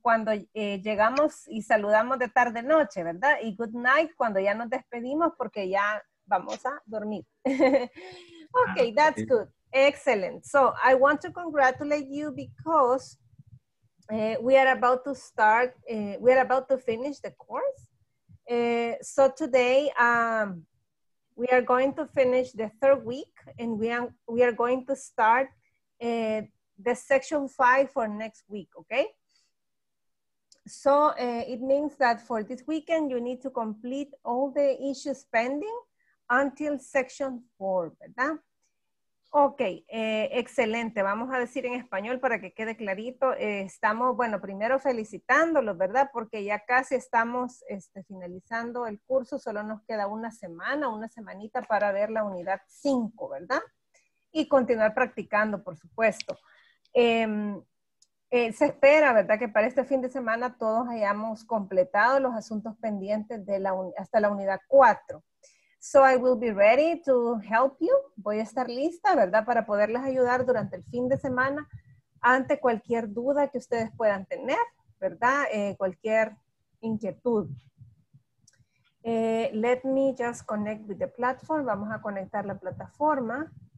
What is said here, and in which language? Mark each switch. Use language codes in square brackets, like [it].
[es] Cuando llegamos y saludamos de tarde noche, ¿verdad? Y [en] good night [es] cuando ya nos despedimos porque ya vamos a dormir. [en] Okay, that's good. Excellent. So I want to congratulate you because we are about to start. We are about to finish the course. So today we are going to finish the third week, and we are going to start the section 5 for next week, okay? So it means that for this weekend, you need to complete all the issues pending until section 4, [es] ¿verdad? Okay, excelente. Vamos a decir en español para que quede clarito. Estamos, bueno, primero felicitándolos, ¿verdad? Porque ya casi estamos finalizando el curso. Solo nos queda una semanita para ver la unidad 5, ¿verdad? Y continuar practicando, por supuesto. Se espera, ¿verdad?, que para este fin de semana todos hayamos completado los asuntos pendientes de hasta la unidad 4. [en] So I will be ready to help you. [es] Voy a estar lista, ¿verdad?, para poderles ayudar durante el fin de semana ante cualquier duda que ustedes puedan tener, ¿verdad?, cualquier inquietud. [en] Let me just connect with the platform. [es] Vamos a conectar la plataforma.